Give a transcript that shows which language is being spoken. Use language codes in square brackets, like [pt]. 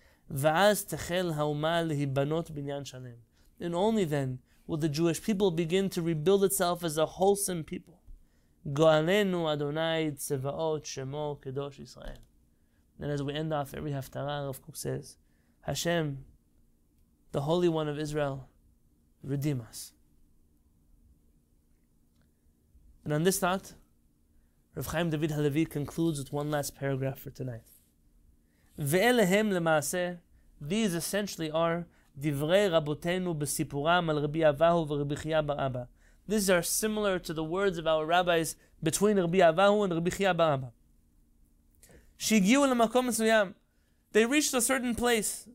[he] ואז תחל האומה להיבנות בניין שלם. [en] And only then will the Jewish people begin to rebuild itself as a wholesome people. [he] גואלנו אדוני צבאות שמו קדוש ישראל. [en] And as we end off every Haftarah, Rav Kook says, Hashem, the Holy One of Israel, redeem us. And on this thought, Rav Chaim David Halevi concludes with one last paragraph for tonight. [he] ואליהם למעשה, [en] these essentially are [he] דברי רבותינו בסיפורם על רבי אבהו ורבי חייא בר אבא. [en] These are similar to the words of our rabbis between רבי אבהו and רבי חייא בר אבא. [he] שהגיעו למקום מסוים, [en] they reached a certain place.